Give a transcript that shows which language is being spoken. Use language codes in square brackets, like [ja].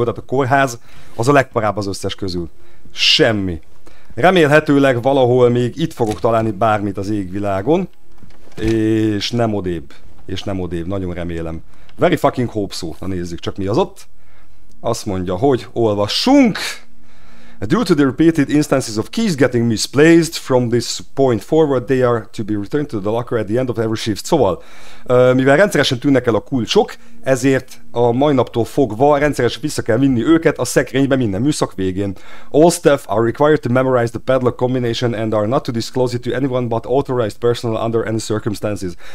[hu] Tehát a kórház az a legparább az összes közül. Semmi. Remélhetőleg valahol még itt fogok találni bármit az égvilágon. És nem odébb, nagyon remélem. [en] Very fucking hope so. [hu] Na nézzük csak, mi az ott. Azt mondja, hogy olvassunk. [en] Due to the repeated instances of keys getting misplaced from this point forward, they are to be returned to the locker at the end of every shift. [hu] Szóval, mivel rendszeresen tűnnek el a kulcsok, ezért a mai naptól fogva rendszeresen vissza kell vinni őket a szekrénybe minden műszak végén. [en] All staff are required to memorize the padlock combination and are not to disclose it to anyone but authorized personnel under any circumstances.